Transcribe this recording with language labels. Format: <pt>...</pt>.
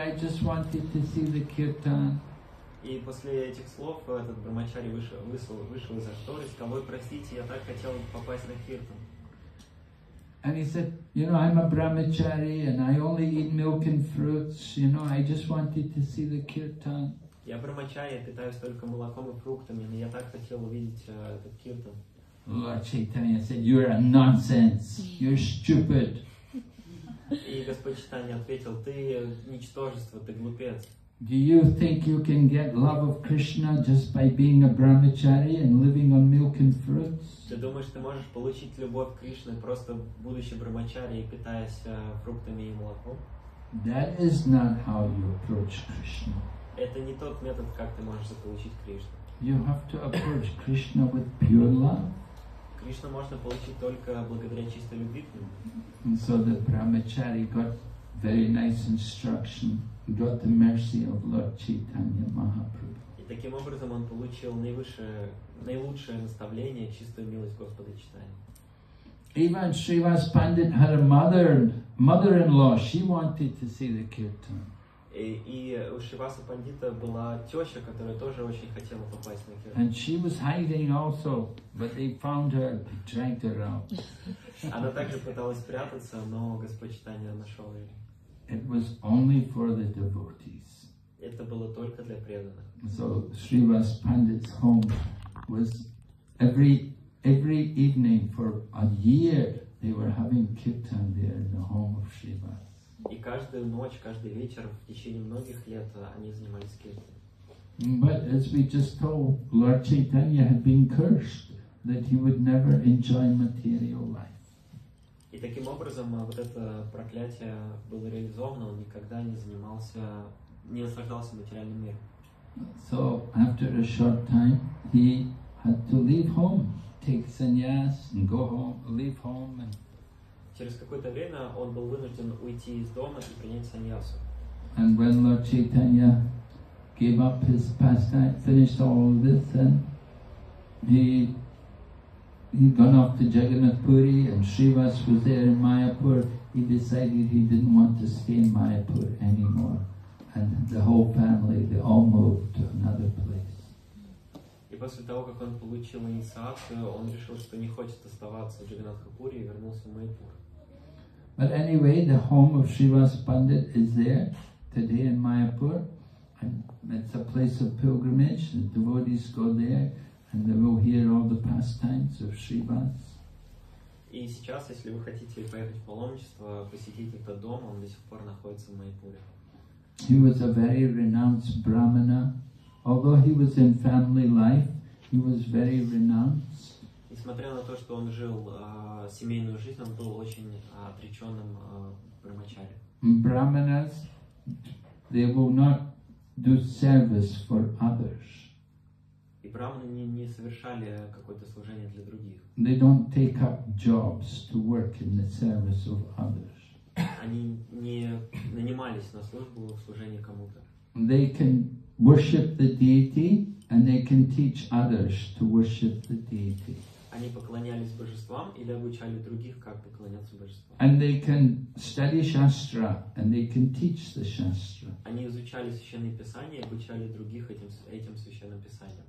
<en>I just wanted to see the kirtan."</en> <ru>И после этих слов этот брахмачари вышел из-за шторы, сказал: "Ой, простите, я так хотел попасть на киртан."</ru> <en>And he said, you know, I'm a brahmachari and I only eat milk and fruits, you know, I just wanted to see the kirtan.</en> <ru>Я брахмачари, питаюсь только молоком и фруктами, но я так хотел увидеть этот киртан.</ru> <en>Lord Chaitanya said, you're a nonsense, you're stupid.</en> <ru>И Господь Чайтанья ответил, ты ничтожество, ты глупец.</ru> <en>Do you think you can get love of Krishna just by being a brahmachari and living on milk and fruits?</en> <ru>Ты думаешь, ты можешь получить любовь Кришны просто будучи брахмачари и питаясь фруктами и молоком?</ru> <en>That is not how you approach Krishna.</en> <ru>Это не тот метод, как ты можешь заполучить Кришну.</ru> <en>You have to approach Krishna with pure love.</en> <ru>Кришну можно получить только благодаря чистой любви.</ru> <en>So the brahmachari got very nice instruction. Got the mercy of Lord Chaitanya Mahaprabhu.</en> <ru>И таким образом он получил наилучшее наставление, чистую милость Господа Чайтаньи.</ru> <en>Even Shrivas Pandit had a mother-in-law. She wanted to see the kirtan.</en> <ru>И у Шриваса Пандита была теща, которая тоже очень хотела попасть на киртан.</ru> <en>And she was hiding also, but they found her, dragged her out.</en> <ru>Она также пыталась спрятаться, но Господь Чайтанья нашел ее.</ru> <en>It was only for the devotees.</en> <ru>Это было только для преданных.</ru> <en>So Shrivas Pandit's home was every evening for a year they were having kirtan there in the home of Shiva.</en> <ru>И каждую ночь, каждый вечер в течение многих лет они занимались киртан.</ru> <en>But as we just told, Lord Chaitanya had been cursed that he would never enjoy material life.</en> <ru>И таким образом вот это проклятие было реализовано, он никогда не наслаждался материальным миром.</ru> <en>So after a short time he had to leave home, take sannyas and go home, leave home and...</en> <ru>Через какое-то время он был вынужден уйти из дома и принять саньясу.</ru> <en>And when Lord Chaitanya gave up his pastime, finished all of this, then he'd gone off to Jagannath Puri and Shrivas was there in Mayapur. He decided he didn't want to stay in Mayapur anymore. And the whole family, they all moved to another place.</en> <ru>И после того, как он получил инициацию, он решил, что не хочет оставаться в Джаганатхапуре и вернулся в Майяпур.</ru> <en>But anyway, the home of Shrivas Pandit is there today in Mayapur. And it's a place of pilgrimage. The devotees go there. And they will hear all the pastimes of Shrivas.</en> <ru>И сейчас, если вы хотите поехать в паломничество, посетить этот дом, он до сих пор находится в Майпуре.</ru> <en>He was a very renounced brahmana. Although he was in family life, he was very renounced.</en> <ru>Несмотря на то, что он жил семейную жизнь, он был очень отреченным брахмачари.</ru> <en>Brahmanas, they will not do service for others.</en> <ru>И брахманы не совершали какое-то служение для других.</ru> <en>They don't take up jobs to work in the service of others.</en> <ru>Они не нанимались на службу в служение кому-то.</ru> <en>They can worship the deity and they can teach others to worship the deity.</en> <ru>Они поклонялись божествам или обучали других, как поклоняться божествам.</ru> <en>And they can study shastra and they can teach the shastra.</en> <ru>Они изучали священные писания и обучали других этим священным писаниям.</ru>